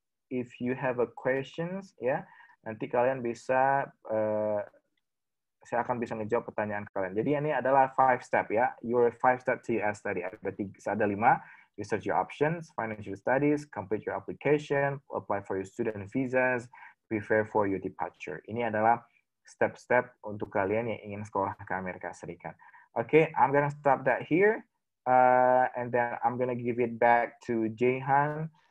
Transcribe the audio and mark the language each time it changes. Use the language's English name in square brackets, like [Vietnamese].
[English] If you have a questions, [Indonesian] ya, nanti kalian bisa, saya akan bisa menjawab pertanyaan kalian. Jadi ini adalah 5 step, ya. [English] Your 5 step to US study. [Indonesian] Berarti ada 5. [English] Research your options, financial studies, complete your application, apply for your student visas, prepare for your departure. [Indonesian] Ini adalah step-step untuk kalian yang ingin sekolah ke Amerika Serikat. [English] Okay, I'm gonna stop that here, and then I'm gonna give it back to Jaehan.